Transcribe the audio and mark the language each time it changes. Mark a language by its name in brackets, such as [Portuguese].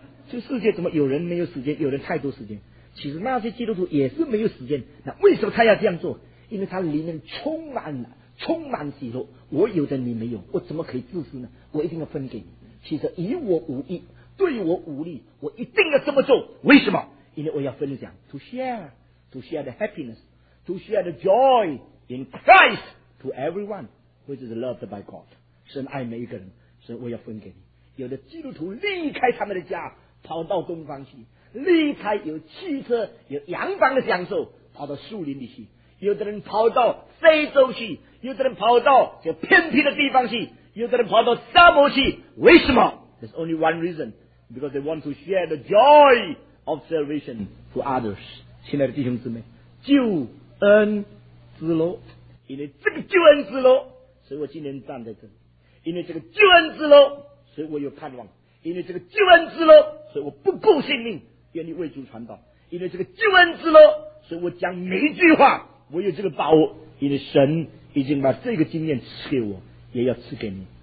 [Chinese] 这世界怎么有人没有时间，有人太多时间？其实那些基督徒也是没有时间，那为什么他要这样做？因为他里面充满了，充满喜乐，我有的你没有，我怎么可以自私呢？我一定要分给你。其实以我无益，对我无力，我一定要这么做。为什么？ [English] 因为我要分享，to share the happiness, to share the joy in Christ to everyone who is loved by God。 [Chinese] 神爱每一个人，所以我要分给你。有的基督徒离开他们的家，跑到东方去，离开有汽车、有洋房的享受，跑到树林里去。有的人跑到非洲去，有的人跑到这偏僻的地方去，有的人跑到沙漠去。为什么？ [English] There's only one reason, because they want to share the joy of salvation to others. [Chinese] 亲爱的弟兄姊妹，救恩之路，因为这个救恩之路，所以我今天站在这里。因为这个救恩之路，所以我有盼望。因为这个救恩之路，所以我不顾性命，愿意为主传道。因为这个救恩之路，所以我讲每一句话，我有这个把握，因为神已经把这个经验赐给我，也要赐给你。